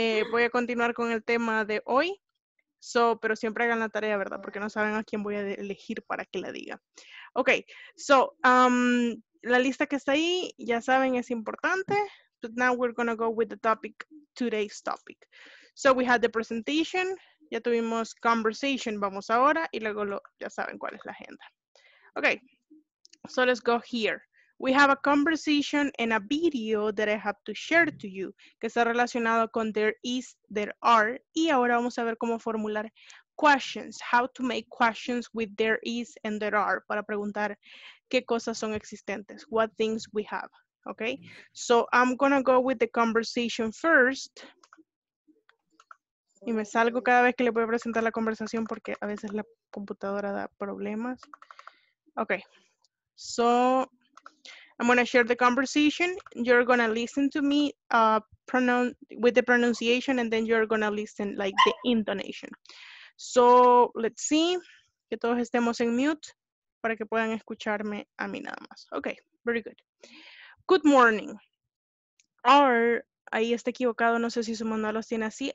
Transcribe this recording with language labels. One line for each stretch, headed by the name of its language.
Spanish: Voy a continuar con el tema de hoy. So, pero siempre hagan la tarea, ¿verdad? Porque no saben a quién voy a elegir para que la diga. Ok, so, la lista que está ahí, ya saben, es importante.
English: But now we're going to go with the topic, today's topic.
Spanish: So we had the presentation, ya tuvimos conversation, vamos ahora, y luego lo, ya saben cuál es la agenda.
English: Ok, so let's go here. We have a conversation and a video that I have to share to you, que está relacionado con there is, there are, y ahora vamos a ver cómo formular questions, how to make questions with there is and there are, para preguntar qué cosas son existentes, what things we have, okay? So I'm gonna go with the conversation first.
Spanish: Y me salgo cada vez que le voy a presentar la conversación porque a veces la computadora da problemas.
English: Okay, so I'm going to share the conversation. You're going to listen to me with the pronunciation, and then you're going to listen like the intonation. So let's see.
Spanish: Que todos estemos en mute para que puedan escucharme a mí nada más. Okay, very good. Good morning. Are, ahí está equivocado. No sé si su manual los tiene así.